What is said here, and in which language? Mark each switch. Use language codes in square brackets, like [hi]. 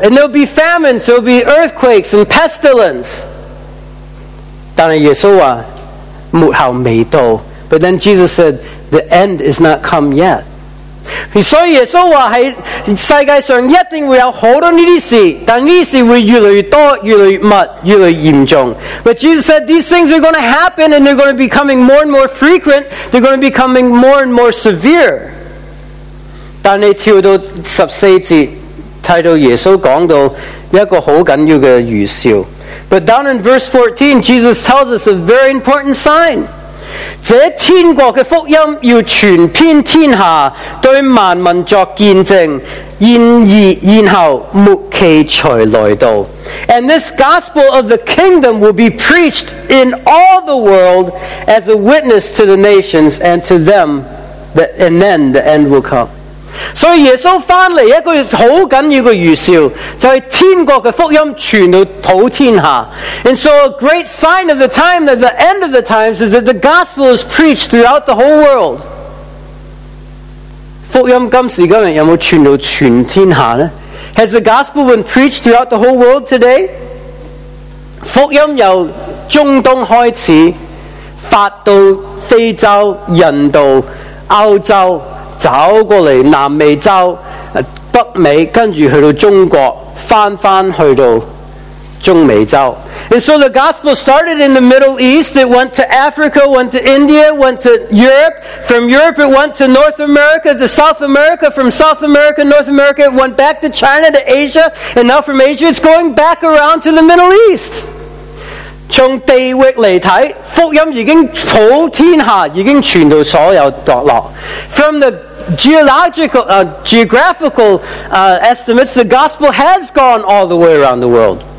[en] And there'll be famines, there'll be earthquakes and pestilence. [zh] 但是耶稣说末后未到。 [en] But then Jesus said, the end is not come yet. [zh] 所以耶稣说在世界上一定会有好多这些事，但这些事会越来越多，越来越密，越来越严重。 [en] But Jesus said, these things are going to happen, and they're going to be coming more and more frequent, they're going to be coming more and more severe. [zh] 但你跳到十四节，看到耶稣讲到一个很重要的预兆。 [en] But down in verse 14, Jesus tells us a very important sign. [zh] 这天国的福音要传遍天下，对万民作见证，然后末期才来到。 [en] And this gospel of the kingdom will be preached in all the world as a witness to the nations and to them, and then the end will come. [zh] 所以耶稣回来一个很重要的预兆，就是天国的福音传到普天下。 [en] And so a great sign of the time, that the end of the times, is that the gospel is preached throughout the whole world. [zh] 福音今时今日有没有传到全天下呢？ [en] Has the gospel been preached throughout the whole world today? [zh] 福音由中东开始，发到非洲、印度、欧洲，走过来南美洲、北美，跟住去到中国，翻去到中美洲。 [en] And so the gospel started in the Middle East. It went to Africa, went to India, went to Europe. From Europe, it went to North America, to South America. From South America, North America, it went back to China, to Asia. And now from Asia, it's going back around to the Middle East. [zh] 从地域来看，福音已经普天下，已经传到所有角落。 [en] From the geographical estimates, the gospel has gone all the way around the world.